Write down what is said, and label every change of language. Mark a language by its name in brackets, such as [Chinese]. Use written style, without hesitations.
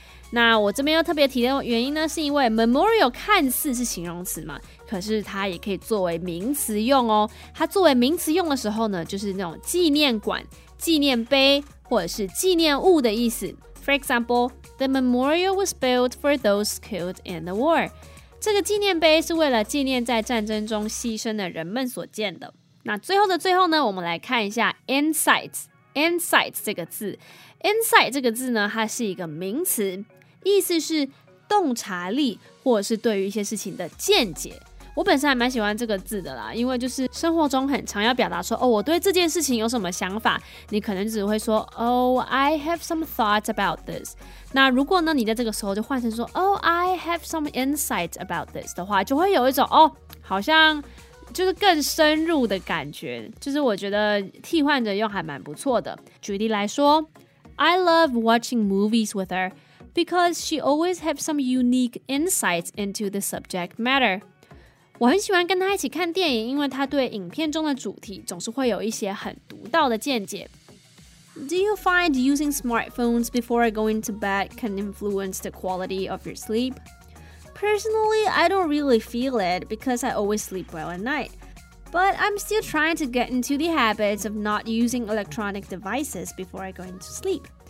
[Chinese] 那我这边要特别提的原因呢，是因为 memorial 看似是形容词嘛，可是它也可以作为名词用哦。它作为名词用的时候呢，就是那种纪念馆、纪念碑或者是纪念物的意思。 [English] For example, the memorial was built for those killed in the war. [Chinese] 这个纪念碑是为了纪念在战争中牺牲的人们所建的。那最后的最后呢，我们来看一下 insights。Insight 这个字， Insight 这个字呢它是一个名词，意思是洞察力或者是对于一些事情的见解。我本身还蛮喜欢这个字的啦，因为就是生活中很常要表达说哦，我对这件事情有什么想法，你可能只会说 [English] Oh, I have some thoughts about this。 [Chinese] 那如果呢你在这个时候就换成说 [English] Oh, I have some insight about this [Chinese] 的话，就会有一种哦，好像就是更深入的感觉，就是我觉得替换着用还蛮不错的。举例来说， [English] I love watching movies with her because she always has some unique insights into the subject matter. [Chinese] 我很喜欢跟她一起看电影，因为她对影片中的主题总是会有一些很独到的见解。 [English] Do you find using smartphones before going to bed can influence the quality of your sleep? Personally, I don't really feel it because I always sleep well at night. But I'm still trying to get into the habits of not using electronic devices before I go into sleep.